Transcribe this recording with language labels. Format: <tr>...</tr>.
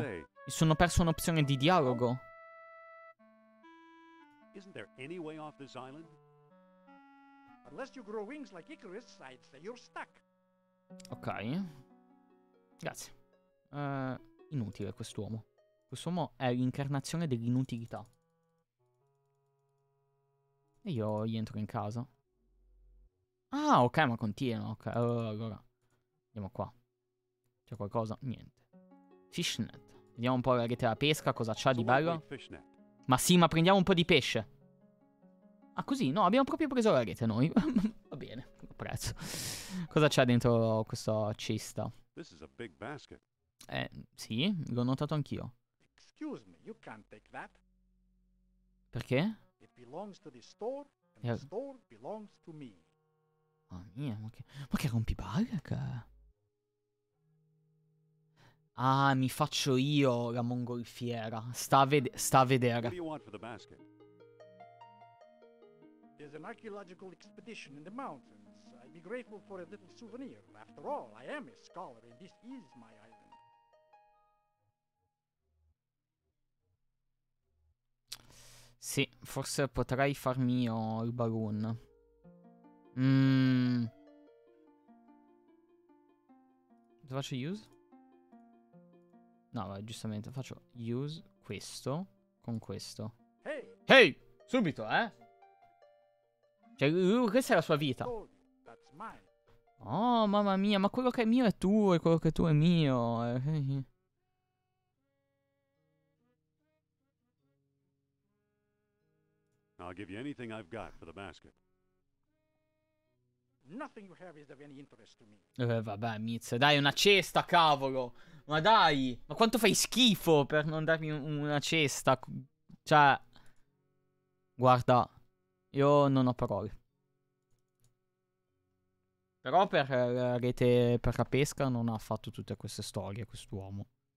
<it>Mi sono perso un'opzione di dialogo.</it> <en>Isn't there any way off this island? Unless you grow wings like Icarus, I'd say you're stuck.</en> <it>Ok. Grazie. Inutile quest'uomo. Quest'uomo è l'incarnazione dell'inutilità. E io gli entro in casa. Ah, ok, ma continua. Ok, allora. Andiamo qua. C'è qualcosa? Niente. Fishnet. Vediamo un po' la rete da pesca, cosa c'ha di bello. Ma sì, ma prendiamo un po' di pesce. Ah, così? No, abbiamo proprio preso la rete noi. Va bene, apprezzo. Cosa c'ha dentro questa cesta?</it> <en>This is a big basket.</en> <it>Sì, l'ho notato anch'io.</it> <en>Excuse me, you can't take that.</en> <it>Perché?</it> <en>It belongs to the store, and the store belongs to me.</en> <it>Oh mia, ma che rompibarga? Ah, mi faccio io la mongolfiera. Sta a vedere.</it> <en>What do you want for the basket? There's an archaeological expedition in the mountains. I'd be grateful for a little souvenir. After all, I am a scholar and this is my island.</en> <it>Sì, forse potrei farmi io il balloon. Faccio use? No, vabbè, giustamente faccio use questo con questo. Hey! Subito, Cioè, questa è la sua vita. Oh, mamma mia, ma quello che è mio è tuo, e quello che è tuo è mio.</it> <en>I'll give you anything I've got for the basket. Nothing you have is of any interest to me.</en> <it>Vabbè, Miz, dai una cesta, cavolo! Ma dai! Ma quanto fai schifo per non darmi una cesta? Cioè, guarda, io non ho parole. Però per la rete, per la pesca, non ha fatto tutte queste storie, quest'uomo.</it>